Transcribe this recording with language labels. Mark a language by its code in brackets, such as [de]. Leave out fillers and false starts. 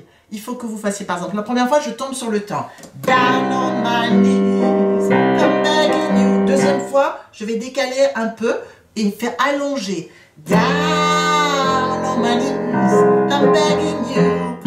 [fr] il faut que vous fassiez par exemple la première fois, je tombe sur le temps. [en] Down on my knees, I'm begging you. [fr] Deuxième fois, je vais décaler un peu et faire allonger. [en] Down on my knees, I'm begging you.